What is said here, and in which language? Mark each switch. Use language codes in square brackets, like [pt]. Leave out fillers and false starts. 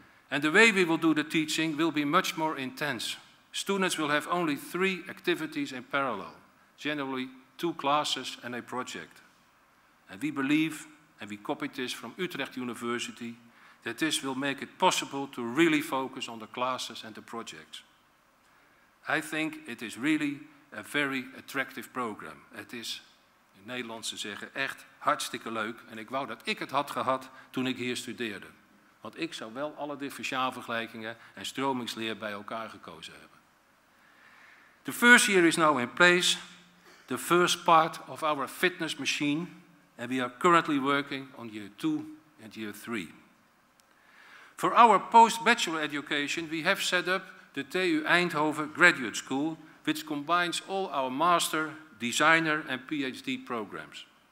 [en] And the way we will do the teaching will be much more intense. Students will have only 3 activities in parallel, generally 2 classes and a project. And we believe, and we copied this from Utrecht University, that this will make it possible to really focus on the classes and the projects. I think it is really a very attractive program. It is, [nl] in Nederlands te zeggen, echt hartstikke leuk. En ik wou dat ik het had gehad toen ik hier studeerde. Want ik zou wel alle differentiaalvergelijkingen en stromingsleer bij elkaar gekozen hebben. [en] The first year is now in place, the first part of our fitness machine, and we are currently working on year 2 and year 3. For our post-bachelor education, we have set up the TU Eindhoven Graduate School, which combines all our master, designer, and PhD programs.